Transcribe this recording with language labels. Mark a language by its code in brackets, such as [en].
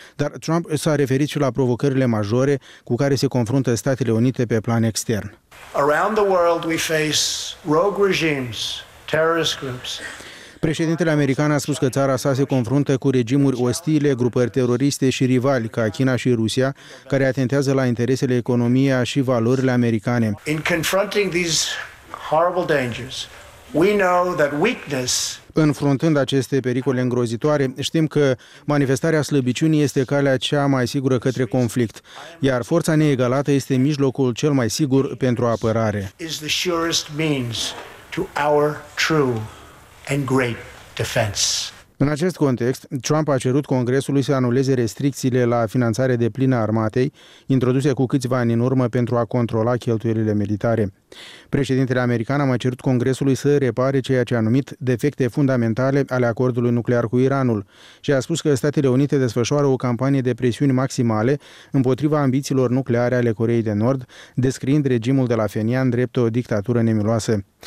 [ro] Dar Trump s-a referit și la provocările majore cu care se confruntă Statele Unite pe plan extern. [en] Around the world we face rogue regimes, terrorist groups. [ro] Președintele american a spus că țara sa se confruntă cu regimuri ostile, grupări teroriste și rivali ca China și Rusia, care atentează la interesele, economia și valorile americane. [en] In confronting these horrible dangers, we know that weakness. [ro] Înfruntând aceste pericole îngrozitoare, știm că manifestarea slăbiciunii este calea cea mai sigură către conflict, iar forța neegalată este mijlocul cel mai sigur pentru apărare. [en] Is the surest means to our true and great defense. [ro] În acest context, Trump a cerut Congresului să anuleze restricțiile la finanțare de plină a armatei, introduse cu câțiva ani în urmă pentru a controla cheltuielile militare. Președintele american a mai cerut Congresului să repare ceea ce a numit defecte fundamentale ale acordului nuclear cu Iranul și a spus că Statele Unite desfășoară o campanie de presiuni maximale împotriva ambițiilor nucleare ale Coreei de Nord, descriind regimul de la Phenian drept o dictatură nemiloasă.